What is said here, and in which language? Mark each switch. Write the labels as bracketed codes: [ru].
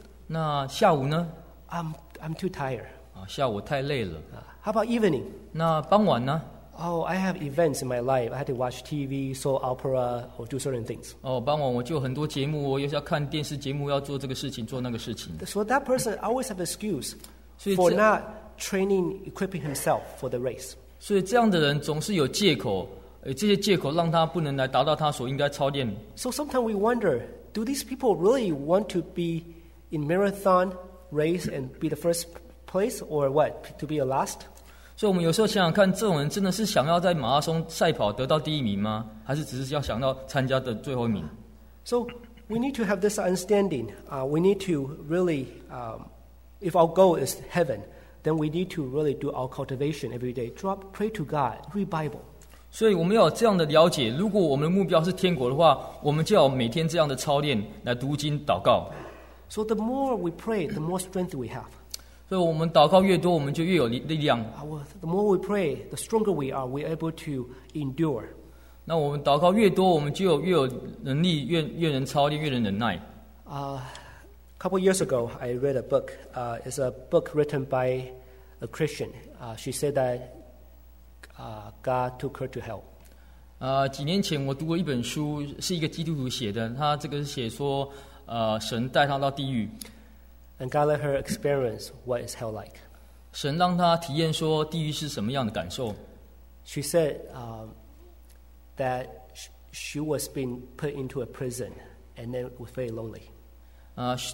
[zh] 那下午呢？ [en] I'm too tired. [zh] 下午太累了。 [en] How about evening? [zh] 那傍晚呢？ [en] Oh, I have events in my life. I had to watch TV, saw opera, or do certain things. [zh] 傍晚我就很多节目，我又要看电视节目，要做这个事情，做那个事情。 [en] So that person always have excuse for not training, equipping himself for the race. [zh] 所以这样的人总是有借口，这些借口让他不能来达到他所应该操练。 [en] So sometimes we wonder, do these people really want to be in marathon race and be the first? Place or what to be a last? So, [zh] 我们有时候想想看，这种人真的是想要在马拉松赛跑得到第一名吗？还是只是要想到参加的最后一名 [en] ？So, we need to have this understanding. We need to really, if our goal is heaven, then we need to really do our cultivation every day. Drop, pray to God, read Bible. [zh] 所以我们要有这样的了解。如果我们的目标是天国的话，我们就要每天这样的操练来读经祷告。 [en] So, the more we pray, the more strength we have. [zh] 所以我们祷告越多，我们就越有力量。 [en] The more we pray, the stronger we are. We're able to endure. [zh] 那我们祷告越多，我们就有越有能力，越能操练，越能忍耐。 [en] A couple years ago, I read a book. It's a book written by a Christian. She said that God took her to hell. [zh] 几年前我读过一本书，是一个基督徒写的。他这个写说，神带他到地狱。 [en] And God let her experience what is hell like. [zh] 神让她体验说地狱是什么样的感受。 [en] She said that she was being put into a prison, and then was very lonely.